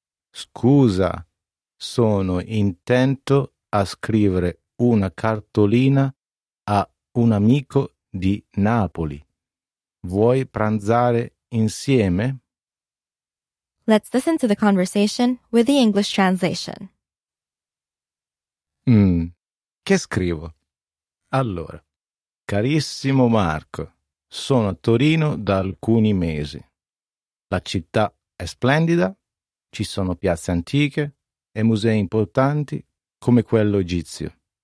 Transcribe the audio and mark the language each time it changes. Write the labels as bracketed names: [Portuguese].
[Italian] Scusa, sono intento a scrivere una cartolina a un amico di Napoli. Vuoi pranzare insieme? [English] Let's listen to the conversation with the English translation. [Italian] Che scrivo? Allora, carissimo Marco, sono a Torino da alcuni mesi. La città è splendida, ci sono piazze antiche e musei importanti come quello egizio.